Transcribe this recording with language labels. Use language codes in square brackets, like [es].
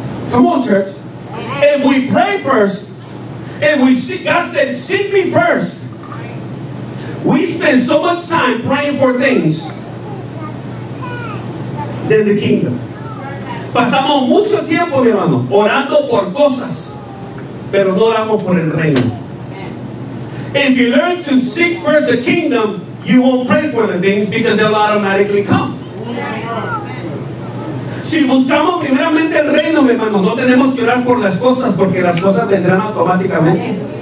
[en] Come on, church. If we pray first, if we seek, God said, seek me first. We spend so much time praying for things than the kingdom. [es] Pasamos mucho tiempo, mi hermano, orando por cosas, pero no oramos por el reino. [en] If you learn to seek first the kingdom, you won't pray for the things because they'll automatically come. [es] Si buscamos primeramente el reino, mi hermano, no tenemos que orar por las cosas, porque las cosas vendrán automáticamente.